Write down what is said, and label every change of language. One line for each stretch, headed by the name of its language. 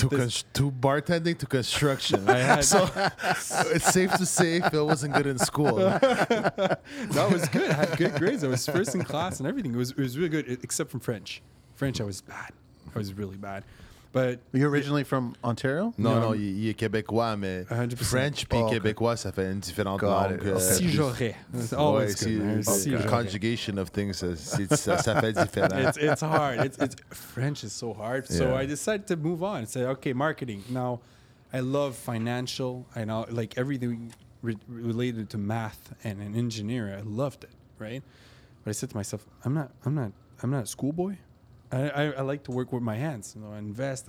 English: To bartending to construction. I had so it's safe to say Phil wasn't good in school. That was good. I had good grades. I was first in class and everything. It was really good, except from French. French, I was bad. I was really bad. But you're originally from Ontario?
French: No, il est québécois, mais 100%. French puis québécois, ça fait une différente langue. Si j'aurais.
English: It's always good. The conjugation of things,
French: ça fait différent.
English: It's hard. It's French is so hard. Yeah. So I decided to move on and say, okay, marketing. Now, I love financial. I know, like everything related to math and an engineer, I loved it, right? But I said to myself, I'm not a schoolboy. I like to work with my hands. You know, I invest.